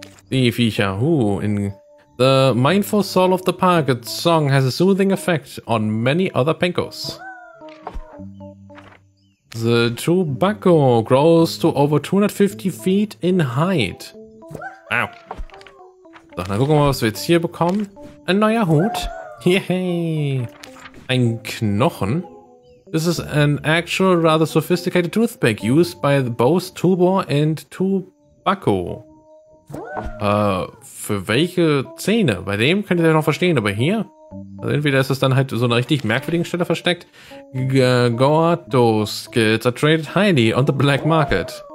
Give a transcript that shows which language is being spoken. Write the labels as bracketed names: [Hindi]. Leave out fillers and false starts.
[German] Die Viecher. [English] In the mindful soul of the park, its song has a soothing effect on many other Pinkos. The Tubaco grows to over 250 feet in height. Wow. [German] So, dann gucken wir mal, was wir jetzt hier bekommen. Ein neuer Hut. Yay. Ein Knochen. [English] This is an actual rather sophisticated toothpick used by both Tubo and Tubaco. [German] Für welche Zähne? Bei dem könnt ihr ja noch verstehen, aber hier? Also entweder ist es dann halt so eine richtig merkwürdigen Stelle versteckt. [English] Gordos skills are traded highly on the black market.